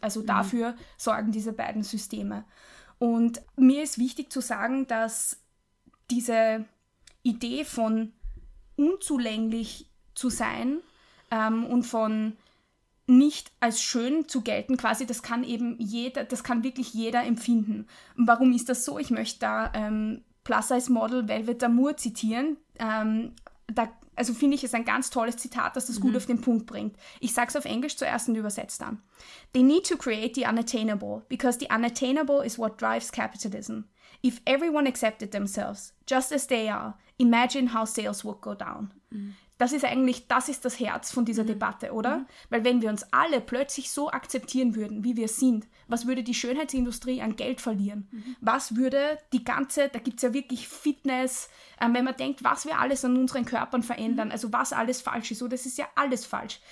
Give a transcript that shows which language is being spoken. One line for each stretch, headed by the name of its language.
German: Also dafür sorgen diese beiden Systeme. Und mir ist wichtig zu sagen, dass diese Idee von unzulänglich zu sein und von nicht als schön zu gelten, quasi, das kann eben jeder, das kann wirklich jeder empfinden. Und warum ist das so? Ich möchte da Plus-Size-Model Velvet Amour zitieren. Also finde ich es ein ganz tolles Zitat, das das gut auf den Punkt bringt. Ich sage es auf Englisch zuerst und übersetze dann.
English: They need to create the unattainable, because the unattainable is what drives capitalism. If everyone accepted themselves, just as they are, imagine how sales would go down.
German: Das ist das Herz von dieser Debatte, oder? Weil wenn wir uns alle plötzlich so akzeptieren würden, wie wir sind, was würde die Schönheitsindustrie an Geld verlieren? Was würde die ganze, da gibt es ja wirklich Fitness, wenn man denkt, was wir alles an unseren Körpern verändern, also was alles falsch ist, oder? Das ist ja alles falsch.